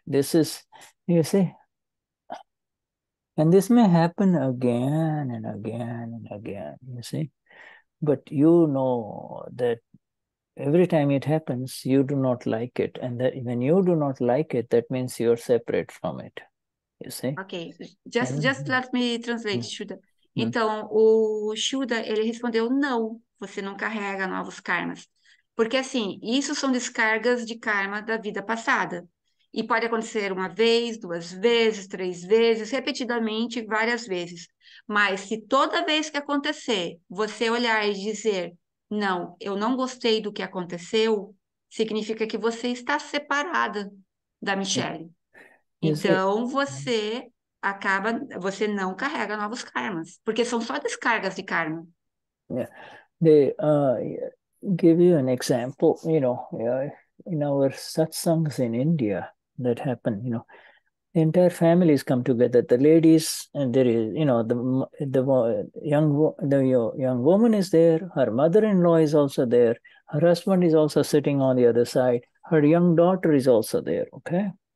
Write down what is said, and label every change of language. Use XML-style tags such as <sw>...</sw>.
<en>This is, you see, and this may happen again and again and again, you see. But you know that every time it happens, you do not like it. And that when you do not like it, that means you are separate from it. You see? Okay, just let me translate, Shuddha.</en> <pt>Então, o Shuddha, ele respondeu, não, você não carrega novos karmas. Porque assim, isso são descargas de karma da vida passada. E pode acontecer uma vez, duas vezes, três vezes, repetidamente, várias vezes. Mas se toda vez que acontecer, você olhar e dizer, não, eu não gostei do que aconteceu, significa que você está separada da Michelle. Sim. Então, você acaba, você não carrega novos karmas, porque são só descargas de karma.</pt> <en>Give you an example, you know, in our satsangs in India that happen, you know, the entire families come together, the ladies, and there is, you know, the young woman is there, her mother-in-law is also there, her husband is also sitting on the other side, her young daughter is also there, okay?</en>